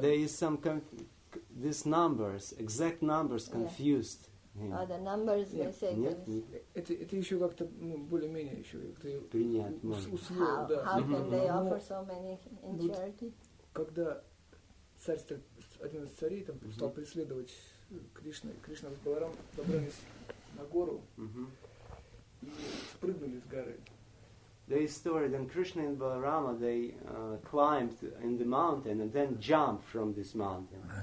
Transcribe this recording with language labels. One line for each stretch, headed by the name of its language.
English: There is some these numbers, exact numbers, confused. Yeah. Yeah. Oh, the numbers, yeah. They say.
Russian: Это еще как-то более-менее еще принято.
English: How can they offer so many in charity?
Russian: Когда царь, один из царей, там стал преследовать Кришну, Кришна с Баларам добрались на гору и спрыгнули с горы.
English: There is a story that Krishna and Balarama, they climbed in the mountain and then jumped from this mountain.